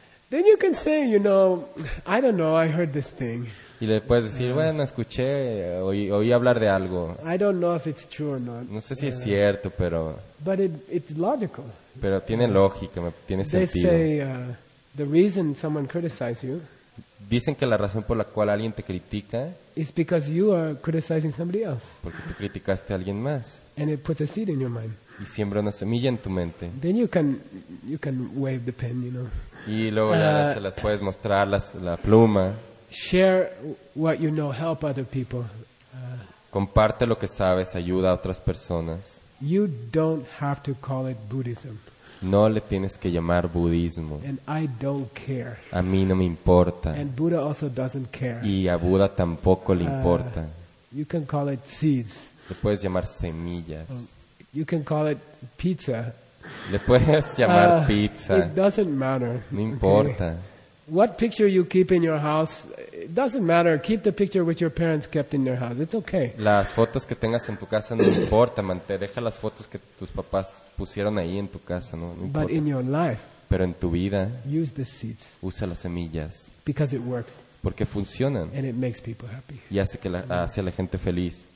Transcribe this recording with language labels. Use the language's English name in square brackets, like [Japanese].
[English] Then you can say, you know, I don't know, I heard this thing. [Spanish] Y le puedes decir, bueno, escuché, oí hablar de algo. [English] I don't know if it's true or not. [Spanish] No sé si es cierto, pero. [English] But it's logical. [Spanish] Pero tiene lógica, tiene sentido. [English] They say the reason someone criticizes you. [Spanish] Dicen que la razón por la cual alguien te critica. [English] It's because you are criticizing somebody else. [Spanish] Porque tú criticaste a alguien más. [English] And it puts a seed in your mind. [Spanish] Y siembra una semilla en tu mente. [English] Then you can wave the pen, you know. [Spanish] Y luego ya se las puedes mostrar la pluma. [English] Share what you know, help other people. [Spanish] Comparte lo que sabes, ayuda a otras personas. [English] You don't have to call it Buddhism. [Spanish] No le tienes que llamar budismo. [English] And I don't care. [Spanish] A mí no me importa. [English] And Buddha also doesn't care. [Spanish] Y a Buda tampoco le importa. [English] You can call it seeds. [Spanish] Le puedes llamar semillas. [English] You can call it pizza. [Spanish] Le puedes llamar pizza. [English] It doesn't matter. [Spanish] No importa. [English] Okay. What picture you keep in your house, it doesn't matter. Keep the picture which your parents kept in their house. It's okay. [Spanish] Las fotos que tengas en tu casa no importa. Deja las fotos que tus papás pusieron ahí en tu casa, ¿no? No importa. [English] But in your life. [Spanish] Pero en tu vida. [English] Use the seeds. [Spanish] Usa las semillas. [English] Because it works. [Spanish] Porque funcionan. [English] And it makes people happy. [Spanish] Y hace que hace a la gente feliz.